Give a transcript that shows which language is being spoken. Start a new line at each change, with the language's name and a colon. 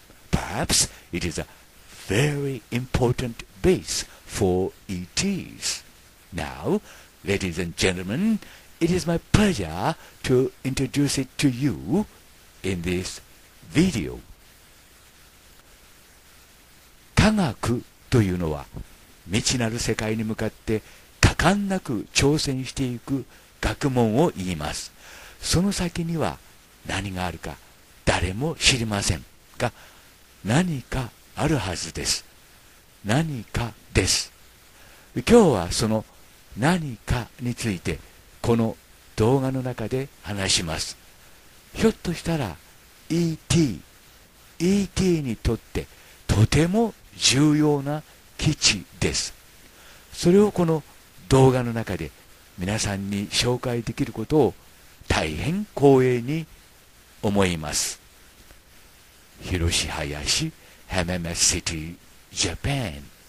English: Perhaps it is a very important base for ETs. Now, ladies and gentlemen, it is my pleasure to introduce it to you in this video.
Japanese: 科学というのは、未知なる世界に向かって果敢なく挑戦していく学問を言います。その先には何があるか誰も知りませんが、何かあるはずです。何かです。今日はその何かについてこの動画の中で話します。ひょっとしたら ET にとってとても重要な基地です。それをこの動画の中で皆さんに紹介できることを大変光栄に思います。広し林、MMS City, Japan。